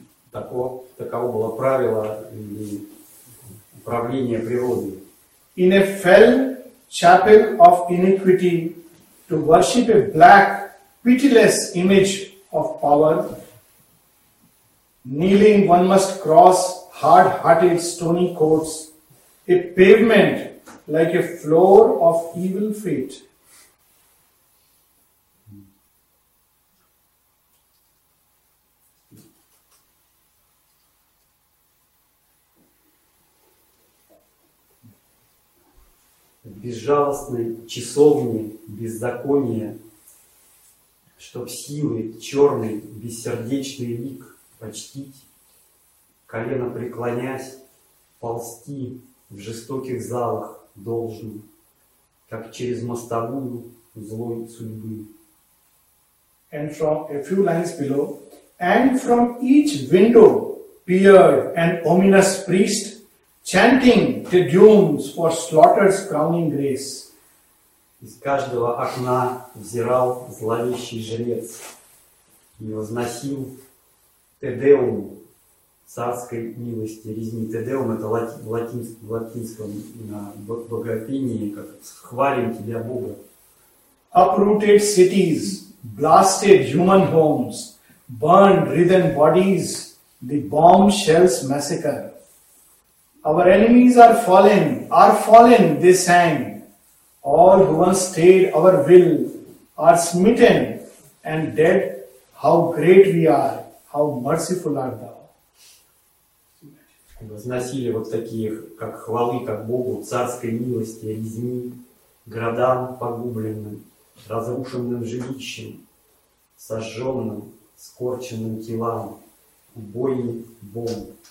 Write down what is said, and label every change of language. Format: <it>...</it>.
<ru>Таково было правило и управление природой.</ru> <en>In a fell chapel of iniquity, to worship a black, pitiless image of power, kneeling one must cross hard-hearted stony courts, a pavement like a floor of evil fate.</en> <ru>Безжалостной часовне беззакония, чтоб силы черный бессердечный лик почтить, колено преклонясь, ползти в жестоких залах должен, как через мостовую злой судьбы.</ru> <en>And from a few lines below, and from each window peered an ominous priest, chanting the dooms for slaughter's crowning grace.</en> <ru>Из каждого окна взирал зловещий жрец и возносил тедеум царской милости резни. Тедеум – это в латинском богопении, как «хвалим тебя, Бога».</ru> <en>Uprooted cities, blasted human homes, burned writhen bodies, the bomb shells massacre. Our enemies are fallen, they sang. All who once stayed our will are smitten and dead. How great we are, how merciful art thou.</en> <ru>Возносили вот такие, как хвалы, как Богу, царской милости, резни, городам погубленным, разрушенным жилищем, сожженным, скорченным телам, убойный бомб.</ru>